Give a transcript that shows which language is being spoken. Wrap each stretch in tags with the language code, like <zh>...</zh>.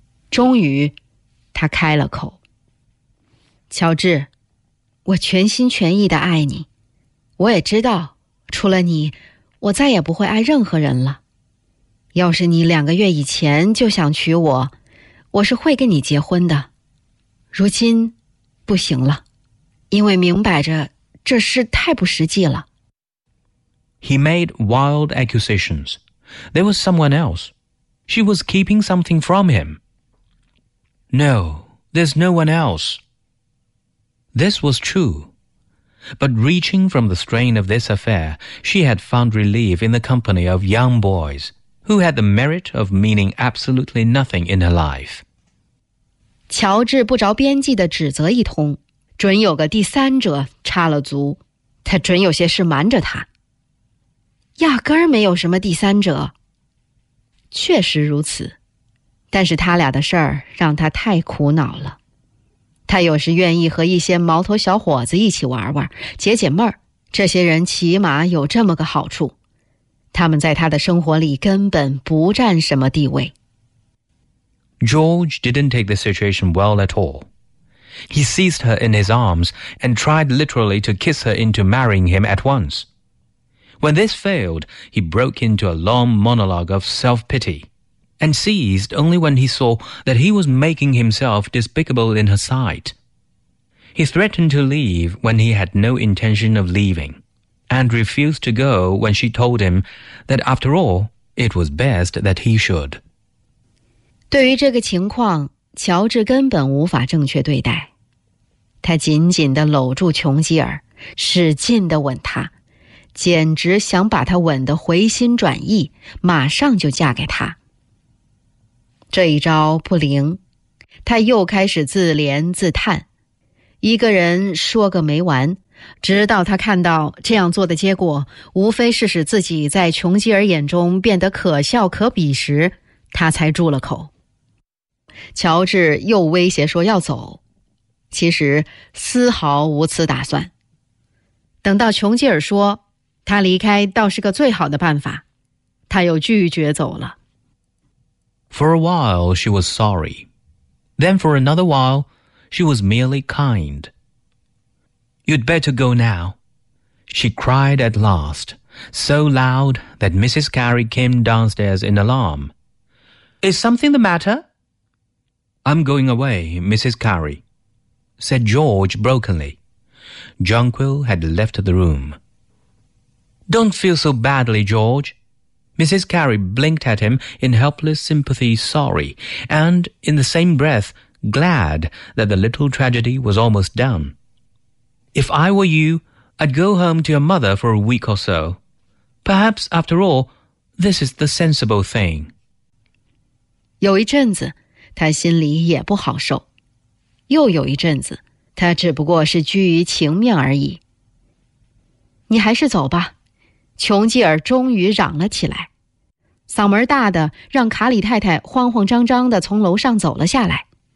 <zh>终于，他开了口。乔治，我全心全意地爱你，我也知道除了你，我再也不会爱任何人了。要是你两个月以前就想娶我，我是会跟你结婚的。如今，不行了，因为明摆着这事太不实际了。</zh> <en>He made wild accusations. There was someone else. She was keeping something from him. No, there's no one else. This was true. But reaching from the strain of this affair, she had found relief in the company of young boys, who had the merit of meaning absolutely nothing in her life.</en> <zh>乔治不着边际地指责一通，准有个第三者插了足，他准有些事瞒着他。压根儿没有什么第三者。确实如此，但是他俩的事儿让他太苦恼了。他有时愿意和一些毛头小伙子一起玩玩，解解闷儿。这些人起码有这么个好处。他他们在他的生活里根本不占什么地位。</zh> <en>George didn't take the situation well at all. He seized her in his arms and tried literally to kiss her into marrying him at once. When this failed, he broke into a long monologue of self-pity and ceased only when he saw that he was making himself despicable in her sight. He threatened to leave when he had no intention of leaving and refused to go when she told him that after all, it was best that he should.</en> <zh>对于这个情况，乔治根本无法正确对待。他紧紧地搂住琼吉尔，使劲地吻他，简直想把他吻得回心转意，马上就嫁给他。这一招不灵，他又开始自怜自叹，一个人说个没完，直到他看到这样做的结果，无非是使自己在琼吉尔眼中变得可笑可鄙时，他才住了口。乔治又威胁说要走，其实丝毫无此打算。等到琼吉尔说他离开倒是个最好的办法，他又拒绝走了。</zh> <en>For a while she was sorry. Then for another while she was merely kind. You'd better go now. She cried at last, so loud that Mrs. Carey came downstairs in alarm. Is something the matter? I'm going away, Mrs. Carey, said George brokenly. Jonquil had left the room. Don't feel so badly, George. Mrs. Carey blinked at him in helpless sympathy, sorry, and in the same breath, glad that the little tragedy was almost done. If I were you, I'd go home to your mother for a week or so. Perhaps, after all, this is the sensible thing.</en> <zh>有一阵子他心里也不好受，又有一阵子他只不过是居于情面而已。你还是走吧，琼吉尔终于嚷了起来，嗓门大的让卡里太太慌慌张张地从楼上走了下来。</zh>